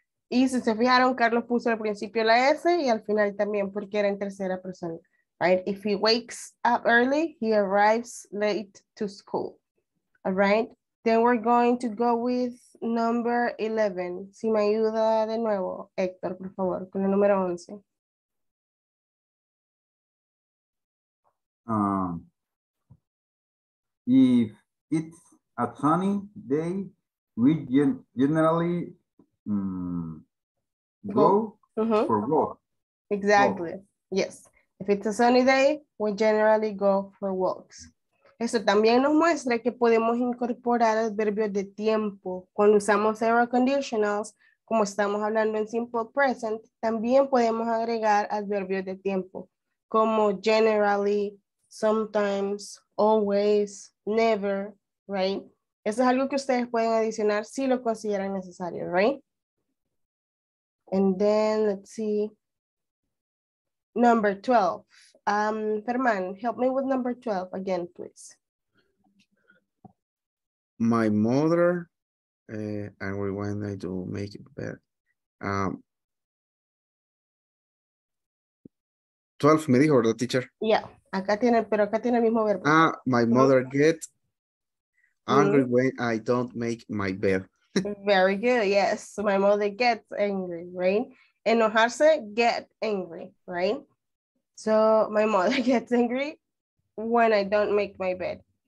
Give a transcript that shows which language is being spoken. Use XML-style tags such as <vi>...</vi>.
<es>Y si se fijaron, Carlos puso al principio la S y al final también porque era en tercera persona.</es> <en>Right, if he wakes up early, he arrives late to school. All right, then we're going to go with number 11.</en> <es>Si me ayuda de nuevo, Héctor, por favor, con el número 11.</es> <en>If it's a sunny day, we generally go for a walk. Exactly. Walk. Yes. If it's a sunny day, we generally go for walks.</en> <es>Eso también nos muestra que podemos incorporar adverbios de tiempo. Cuando usamos aero conditionals, como estamos hablando en simple present, también podemos agregar adverbios de tiempo, como generally, sometimes, always, never,</es> <en>right?</en> <es>Eso es algo que ustedes pueden adicionar si lo consideran necesario,</es> <en>right? And then, let's see. Number 12. Ferman, help me with number 12 again, please. My mother and we want to make it better.</en> <es>12 me dijo, ¿verdad, teacher? Yeah, acá tiene, pero acá tiene el mismo verbo.</es> <en>Ah, my mother get angry when I don't make my bed. Very good, yes. My mother gets angry, right? Enojarse, get angry, right? So, my mother gets angry when I don't make my bed.</en>